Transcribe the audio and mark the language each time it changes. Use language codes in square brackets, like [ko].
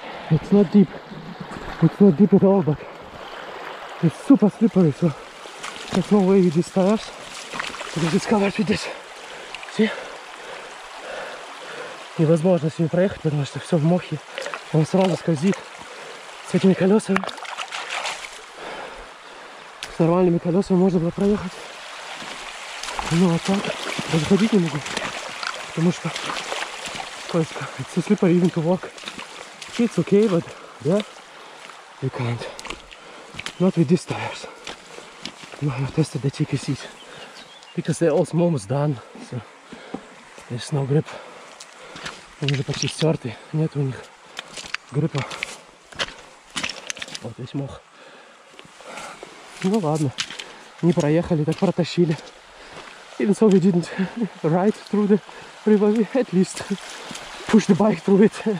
[en] It's not deep. It's not deep at all, but it's super slippery, so there's no way with these tires, because it's covered with this. See? [ru] Невозможно с ним проехать, потому что все в мохе. Он сразу скользит с этими колесами. С нормальными колесами можно было проехать. Ну а так даже ходить не могу. Потому что скользко. [en] It's so slippery even to walk. It's okay, but yeah, you can't. Not with these tires. No, I've tested the TKCs because they're all almost done. So there's no grip. [ru] Они уже почти стерты. Нет у них гриппа. Вот весь мох. Ну ладно, не проехали, так протащили. [en] Even so, we didn't ride through the river. We at least push the bike through it.